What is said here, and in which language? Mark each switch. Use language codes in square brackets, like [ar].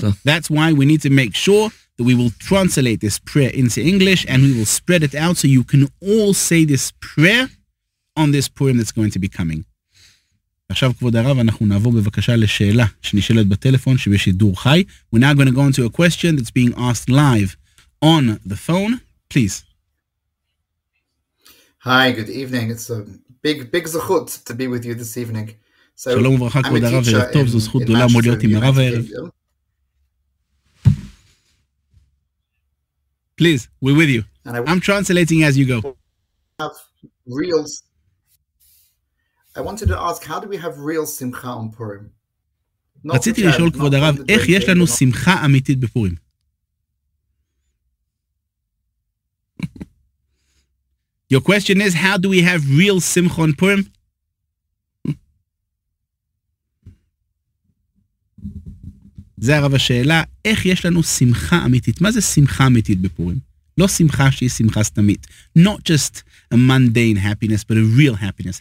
[en] That's why we need to make sure that we will translate this prayer into English and we will spread it out so you can all say this prayer on this Purim that's going to be coming. [he] עכשיו כבוד הרב, אנחנו נעבור בבקשה לשאלה שנשאלת בטלפון שבשידור חי. [en] We're now going to go into a question that's being asked live on the phone. Please. Hi, good evening. It's a big, big zechut to be with you this evening. [he] שלום וברכה כבוד הרב, ערב טוב, זו זכות גדולה מאוד להיות עם הרב הערב. [en] Please, we're with you. And I'm translating as you go. I wanted to ask, how do we have real simcha on Purim? [he] רציתי לשאול כבוד הרב, איך יש לנו שמחה אמיתית בפורים? [en] Your question is, how do we have real simcha on Purim? [he] זה הרב השאלה, איך יש לנו שמחה אמיתית? מה זה שמחה אמיתית בפורים? לא שמחה שהיא שמחה סתמית. [en] Not just a mundane happiness, but a real happiness.